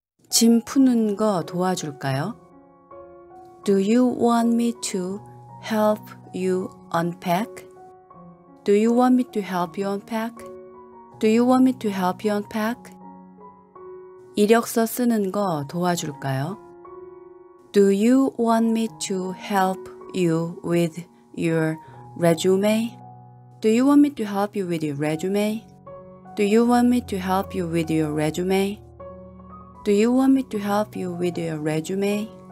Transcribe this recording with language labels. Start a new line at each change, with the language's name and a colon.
Korean: 짐 푸는 거 도와줄까요?
English: Do you want me to help you unpack? Do you want me to help you unpack? Do you want me to help you unpack?
Korean: 이력서 쓰는 거 도와줄까요?
English: Do you want me to help you with your resume? Do you want me to help you with your resume? Do you want me to help you with your resume? Do you want me to help you with your resume?